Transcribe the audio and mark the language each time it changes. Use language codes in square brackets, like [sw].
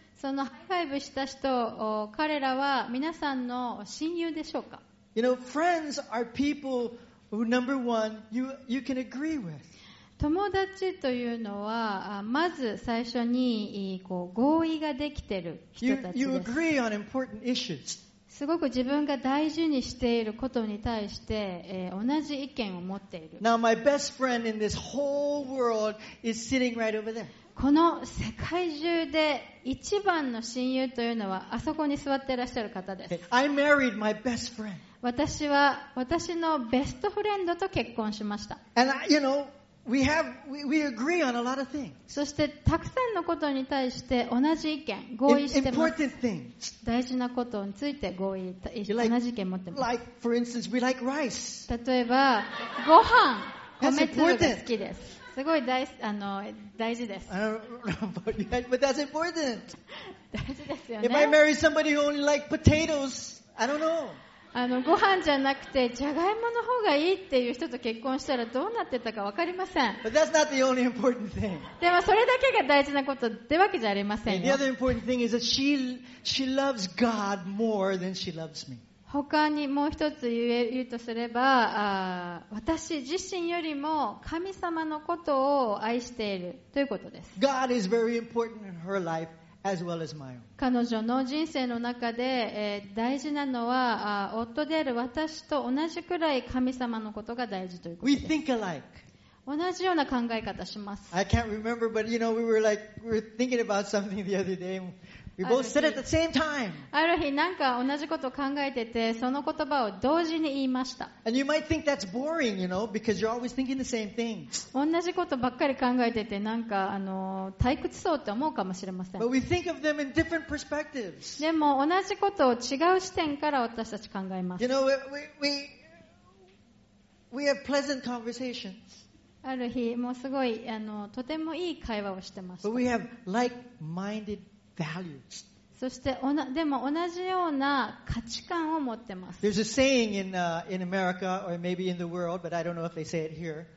[ja] そのハイファイブした人、彼らは皆さんの親友でしょうか? [en] You know, friends are people who, number one, you can agree with. [ja] 友達というのは、まず最初にこう合意ができてる人たちです。 [en] You agree on important issues. [ja] すごく自分が大事にしていることに対して、同じ意見を持っている。 [en] Now, my best friend in this whole world is sitting right over there. [ja] この世界中で一番の親友というのはあそこに座っていらっしゃる方です。 [en] I married my best friend. [ja] 私は私のベストフレンドと結婚しました。 [en] And I, you know, we agree on a lot of things. [ja] そしてたくさんのことに対して同じ意見合意してます。 [en] Important things. [ja] 大事なことについて合意同じ意見持ってます。 [en] Like for instance, we like rice. [ja] 例えばご飯米粒が好きです。すごい大大事です。 [en] I don't know about you, but that's important. [ja] 大事ですよね。 [en] If I marry somebody who only likes potatoes, I don't know. [ja] ご飯じゃなくてジャガイモの方がいいっていう人と結婚したらどうなってたか分かりません。 [en] But that's not the only important thing. [ja] でもそれだけが大事なことってわけじゃありませんよ。 [en] The other important thing is that she loves God more than she loves me. [ja] 他にもう一つ言うとすれば、私自身よりも神様のことを愛しているということです。 [en] God is very important in her lifeAs well、as my own. [ja] 彼女の人生の中で、大事なのは、夫である私と同じくらい神様のことが大事ということです。 [en] We think alike. [ja] 同じような考え方します。 [en] I can't remember, but you know, we were thinking about something the other day. We both said at the same time. [ja] ある日なんか同じことを考えてて、その言葉を同時に言いました。 [en] And you might think that's boring, you know, because you're always thinking the same thing. [ja] 同じことばっかり考えててなんか退屈そうって思うかもしれません。 [en] But we think of them in different perspectives. [ja] でも同じことを違う視点から私たち考えます。 [en] You know, we have pleasant conversations. [ja] ある日もうすごいとてもいい会話をしてました。 [en] But we have like-minded values. [ja] そしてでも同じような価値観を持ってます。 [en] There's a saying in America or maybe in the world, but I don't know if they say it here.